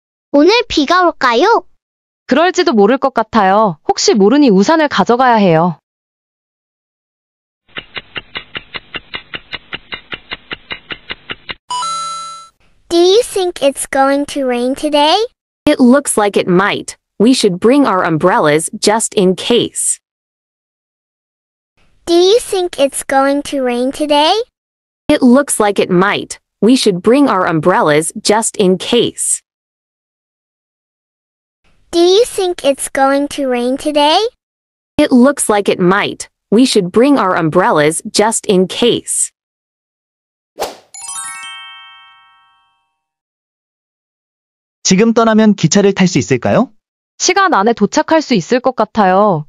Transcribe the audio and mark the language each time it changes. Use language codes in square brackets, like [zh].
[ko] "오늘 비가 올까요?" 그럴지도 모를 것 같아요. 혹시 모르니 우산을 가져가야 해요. [en] 'Do you think it's going to rain today?' 'It looks like it might. We should bring our umbrellas just in case.' 'Do you think it's going to rain today?' 'It looks like it might. We should bring our umbrellas just in case.' Do you think it's going to rain today? It looks like it might. We should bring our umbrellas just in case. [ko] 지금 떠나면 기차를 탈 수 있을까요? 시간 안에 도착할 수 있을 것 같아요.